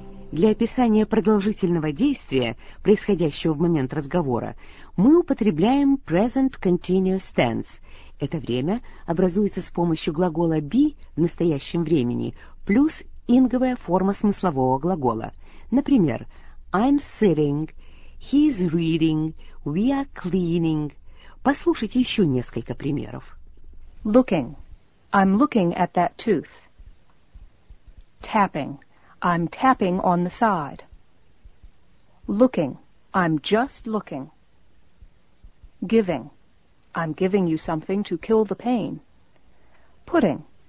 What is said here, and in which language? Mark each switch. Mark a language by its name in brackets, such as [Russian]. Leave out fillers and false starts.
[Russian] Для описания продолжительного действия, происходящего в момент разговора, мы употребляем present continuous tense. Это время образуется с помощью глагола be в настоящем времени плюс инговая форма смыслового глагола. Например, [English] I'm sitting, he's reading, we are cleaning. [Russian] Послушайте еще несколько примеров. [English] Looking. I'm looking at that tooth. Tapping. I'm tapping on the side. Looking. I'm just looking. Giving. I'm giving you something to kill the pain. Putting.